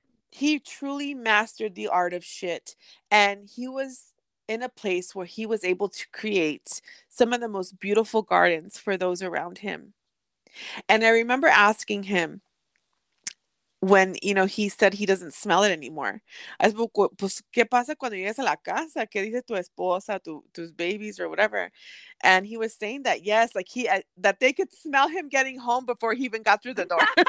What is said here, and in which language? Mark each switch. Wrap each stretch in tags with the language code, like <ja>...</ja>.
<en>He truly mastered the art of shit, and he was in a place where he was able to create some of the most beautiful gardens for those around him. And I remember asking him when, you know, he said he doesn't smell it anymore. I said,</en> <es>pues, ¿qué pasa cuando llegas a la casa? ¿Qué dice tu esposa, tus babies,</es> <en>or whatever? And he was saying that, yes, like he, that they could smell him getting home before he even got through the door.</en>